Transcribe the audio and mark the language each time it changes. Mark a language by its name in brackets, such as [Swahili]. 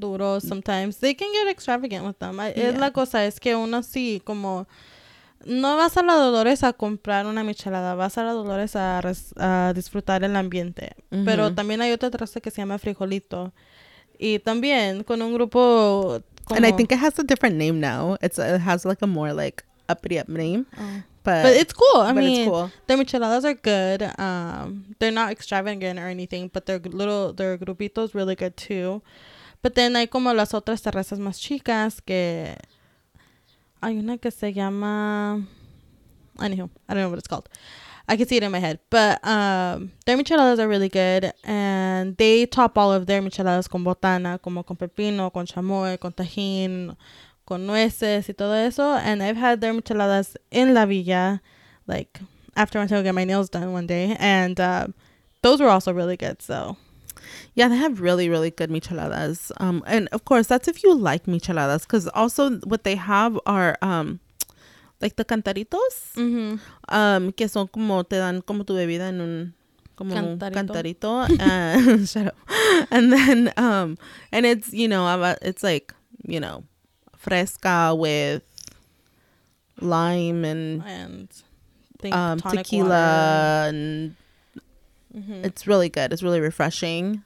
[English] duros sometimes. They can get extravagant with them. Yeah. [Spanish] Es la cosa, es que uno sí, como, no vas a la Dolores a comprar una michelada, vas a la Dolores a disfrutar el ambiente. Mm-hmm. Pero también hay otra traza que se llama frijolito. Y también con un grupo [English] como, and I think it has a different name now. It has like a more like uppity up name. But it's cool. I mean, it's cool. Their micheladas are good. They're not extravagant or anything, but their grupito is really good too. But then hay como las otras terrazas más chicas que hay una que se llama, anywho, I don't know what it's called. I can see it in my head. But their micheladas are really good. And they top all of their micheladas con botana, como con pepino, con chamoy, con tajín, con nueces y todo eso. And I've had their micheladas in La Villa, like, after I went to get my nails done one day. And those were also really good, so. Yeah, they have really, really good micheladas. And, of course, that's if you like micheladas. Because also what they have are... like the cantaritos, mm-hmm, [Spanish] que son como, te dan como tu bebida en un, como cantarito. [English] shut up. And then, and it's, you know, it's like, you know, fresca with lime and tequila. And mm-hmm. It's really good. It's really refreshing.